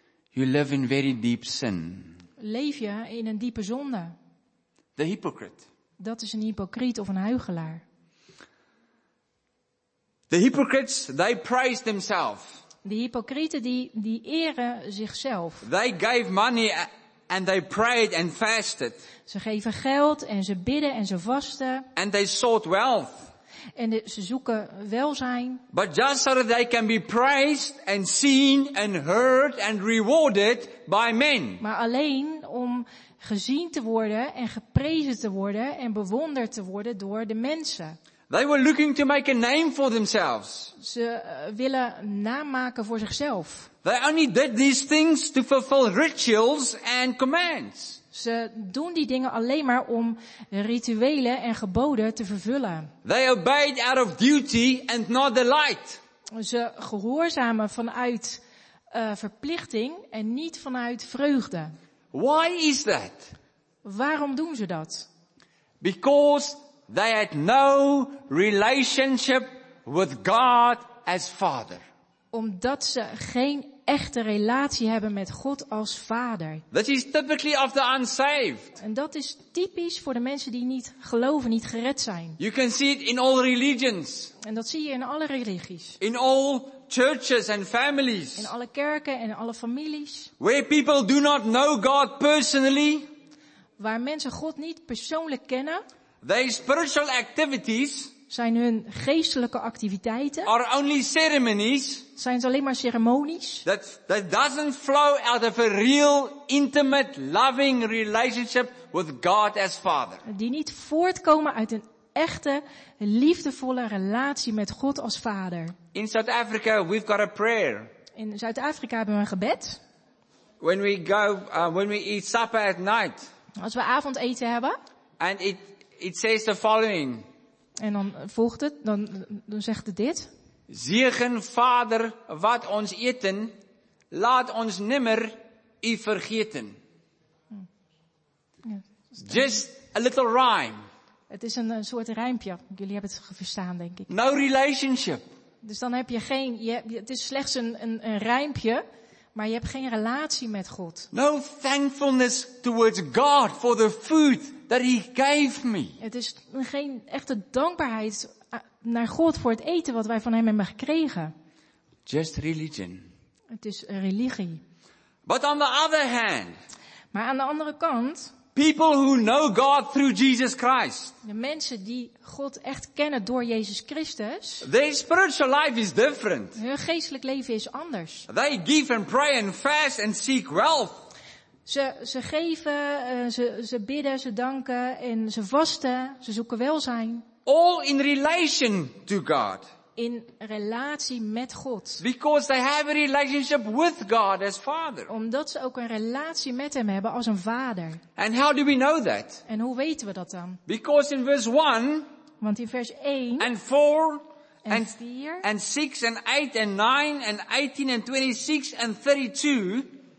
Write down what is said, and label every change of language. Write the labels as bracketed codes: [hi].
[en] You live in very deep sin. [nl] Leef je in een diepe zonde. [en] The hypocrite. [nl] Dat is een hypocriet of een huichelaar. [en] The hypocrites, they praise themselves. [nl] De hypocrieten die eren zichzelf. [en] They gave money and they prayed and fasted. [nl] Ze geven geld en ze bidden en ze vasten. [en] And they sought wealth. [nl] En ze zoeken welzijn. [en] But just so that they can be praised and seen and heard and rewarded by men. [nl] Maar alleen om gezien te worden en geprezen te worden en bewonderd te worden door de mensen. [en] They were looking to make a name for themselves. [nl] Ze willen naam maken voor zichzelf. [en] They only did these things to fulfill rituals and commands. [nl] Ze doen die dingen alleen maar om rituelen en geboden te vervullen. [en] They obeyed out of duty and not delight. [nl] Ze gehoorzamen vanuit verplichting en niet vanuit vreugde. [en] Why is that? [nl] Waarom doen ze dat? [en] Because they had no relationship with God as Father. [nl] Omdat ze geen echte relatie hebben met God als Vader. [en] That is typically of the unsaved. [nl] En dat is typisch voor de mensen die niet geloven, niet gered zijn. [en] You can see it in all religions. [nl] En dat zie je in alle religies. [en] In all churches and families. [nl] In alle kerken en alle families. [en] Where people do not know God personally. [nl] Waar mensen God niet persoonlijk kennen. [en] Their spiritual activities. [nl] Zijn hun geestelijke activiteiten. [en] Are only ceremonies. [nl] Zijn ze alleen maar ceremonies. [en] That doesn't flow out of a real, intimate, loving relationship with God as Father. [nl] Die niet voortkomen uit een echte, liefdevolle relatie met God als Vader. [en] In South Africa we've got a prayer. [nl] In Zuid-Afrika hebben we een gebed. [en] When we go, when we eat supper at night. [nl] Als we avondeten hebben. [en] And it says the following. [nl] En dan volgt het, dan zegt het dit. Zegen Vader wat ons eten, laat ons nimmer u vergeten. [en] Ja, just a little rhyme. [nl] Het is een soort rijmpje, jullie hebben het verstaan denk ik. [en] No relationship. [nl] Dus dan heb je geen, het is slechts een rijmpje, maar je hebt geen relatie met God. [en] No thankfulness towards God for the food that he gave me. [nl] Het is geen echte dankbaarheid naar God voor het eten wat wij van hem hebben gekregen. [en] Just religion. [nl] Het is religie. [en] But on the other hand. [nl] Maar aan de andere kant. [en] People who know God through Jesus Christ. [nl] De mensen die God echt kennen door Jezus Christus. [en] Their spiritual life is different. [nl] Hun geestelijk leven is anders. [en] They give and pray and fast and seek wealth. [nl] Ze geven, ze bidden, ze danken en ze vasten, ze zoeken welzijn. [en] All in relation to God. [nl] In relatie met God. [en] Because they have a relationship with God as Father. [nl] Omdat ze ook een relatie met hem hebben als een vader. [en] And how do we know that? [nl] En hoe weten we dat dan? [en] Because in verse 1. [nl] Want in vers 1. [en] And 4. [nl] En 4. [en] And 6 and 8 and 9 and 18 and 26 and 32.